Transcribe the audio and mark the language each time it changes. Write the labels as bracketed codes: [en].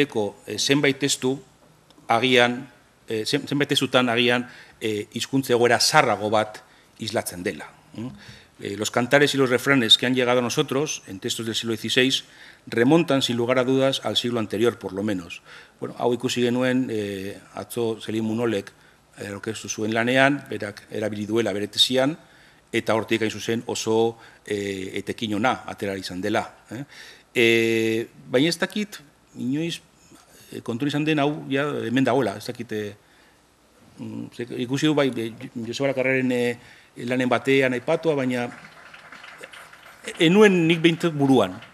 [eu] mendeko zenbait testutan agian hizkuntza egoera zarrago bat islatzen dela. [es] Los cantares y los refranes que han llegado a nosotros en textos del siglo XVI remontan sin lugar a dudas al siglo anterior, por lo menos. [eu] Bueno, hau ikusi genuen, atzo Selim Munolek aurkeztu zuen lanean, berak erabili duela bere tesian, eta hortik hain zuzen oso etekin ona atera izan dela. Baina ez dakit, inoiz, kontu izan den hau, ja, hemen dagoela, ez dakit, ikusi du bai, Josu Balakarraren lanen batean aipatua, baina enuen nik behintzat buruan.